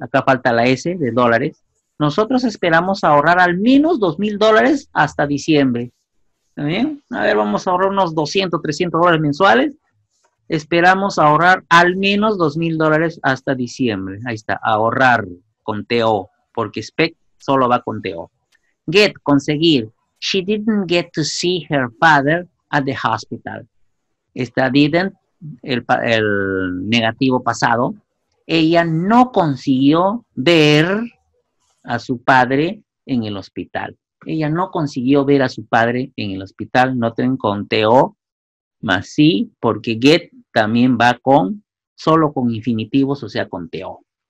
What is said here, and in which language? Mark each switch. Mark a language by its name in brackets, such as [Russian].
[Spanish] Acá falta la S de dólares. Nosotros esperamos ahorrar al menos $2,000 hasta diciembre. ¿Está bien? A ver, vamos a ahorrar unos 200, $300 mensuales. Esperamos ahorrar al menos $2,000 hasta diciembre. Ahí está, ahorrar con TO, porque expect solo va con TO. Get, conseguir. [English] She didn't get to see her father at the hospital. [Spanish] Está didn't, el negativo pasado. Ella no consiguió ver a su padre en el hospital. Ella no consiguió ver a su padre en el hospital. Noten con TO, mas sí, porque get también va con, solo con infinitivos, o sea, con TO.